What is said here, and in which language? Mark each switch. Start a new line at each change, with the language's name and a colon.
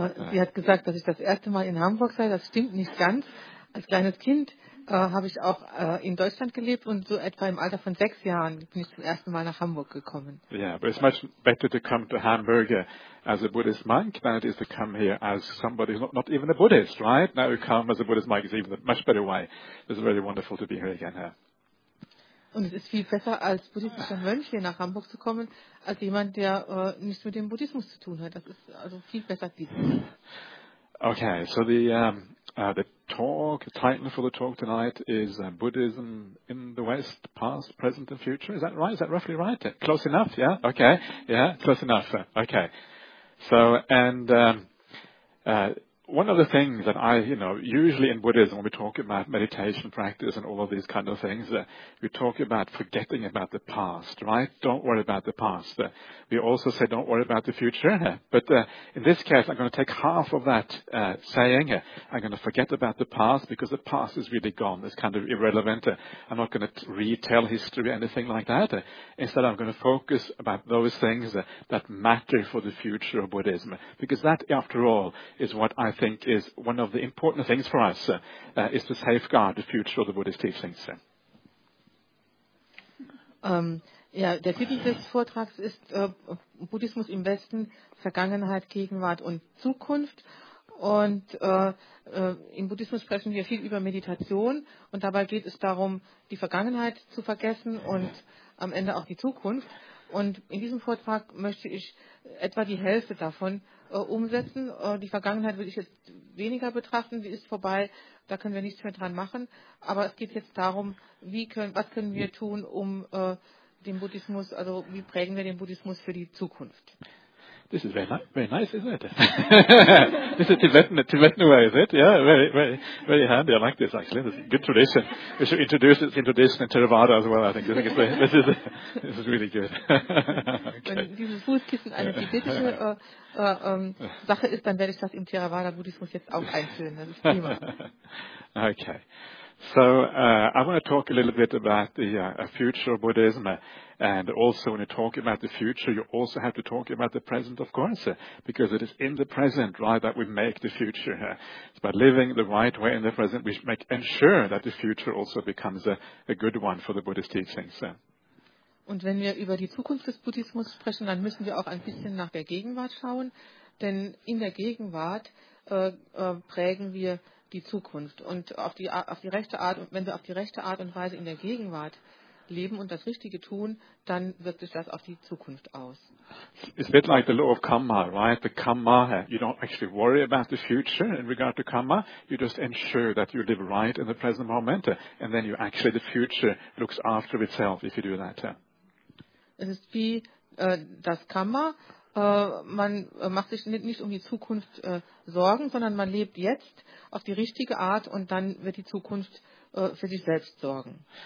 German: Sie hat gesagt, dass ich das erste Mal in Hamburg sei. Das stimmt nicht ganz. Als kleines Kind habe ich auch in Deutschland gelebt und so etwa im Alter von 6 Jahren bin ich zum ersten Mal nach Hamburg gekommen.
English: Yeah, but it's much better to come to Hamburg as a Buddhist monk than it is to come here as somebody who's not even a Buddhist, right? Now you come as a Buddhist monk is even a much better way. It's really wonderful to be here again. Huh?
German: Und es ist viel besser, als buddhistischer Mönch hier nach Hamburg zu kommen, als jemand, der nichts mit dem Buddhismus zu tun hat. Das ist also viel besser.
English: Okay, so the talk, the title for the talk tonight is Buddhism in the West, Past, Present and Future. Is that right? Is that roughly right? Close enough, yeah? Okay, yeah, close enough. Okay. So, and one of the things that I, you know, usually in Buddhism, when we talk about meditation practice and all of these kind of things, we talk about forgetting about the past, right? Don't worry about the past. We also say don't worry about the future. But in this case, I'm going to take half of that saying. I'm going to forget about the past because the past is really gone. It's kind of irrelevant. I'm not going to retell history or anything like that. Instead, I'm going to focus about those things that matter for the future of Buddhism. Because that, after all, is what I think is one of the important things for us is to safeguard the future of the Buddhist teachings.
German: Ja, der Titel des Vortrags ist Buddhismus im Westen, Vergangenheit, Gegenwart und Zukunft. Und im Buddhismus sprechen wir viel über Meditation und dabei geht es darum, die Vergangenheit zu vergessen und am Ende auch die Zukunft. Und in diesem Vortrag möchte ich etwa die Hälfte davon umsetzen. Die Vergangenheit will ich jetzt weniger betrachten. Sie ist vorbei, da können wir nichts mehr dran machen. Aber es geht jetzt darum, was können wir tun, um den Buddhismus, also wie prägen wir den Buddhismus für die Zukunft?
English: This is very nice, isn't it? This is Tibetan way, is it? Yeah, very, very, very handy. I like this, actually. This is a good tradition. We should introduce it in tradition in Theravada as well, I think. This is really good. Okay.
German: Wenn dieses Fußkissen eine tibetische Sache ist, dann werde ich das im Theravada-Buddhismus jetzt auch einführen. Das ist prima.
English: Okay. So I want to talk a little bit about the future of Buddhism. And also when you talk about the future, you also have to talk about the present, of course, because it is in the present, right, that we make the future. It's by living the right way in the present, we make ensure that the future also becomes a good one for the Buddhist teachings.
German: Und wenn wir über die Zukunft des Buddhismus sprechen, dann müssen wir auch ein bisschen nach der Gegenwart schauen, denn in der Gegenwart prägen wir die Zukunft. Und auf die rechte Art und Weise in der Gegenwart leben und das Richtige tun, dann wirkt sich das auf die Zukunft aus.
English: It's a bit like the law of karma, right? The karma. You don't actually worry about the future in regard to karma. You just ensure that you live right in the present moment, and then you actually the future looks after itself if you do that.
German: Es ist wie das Karma. Man macht sich nicht um die Zukunft Sorgen, sondern man lebt jetzt auf die richtige Art und dann wird die Zukunft für sich selbst sorgen.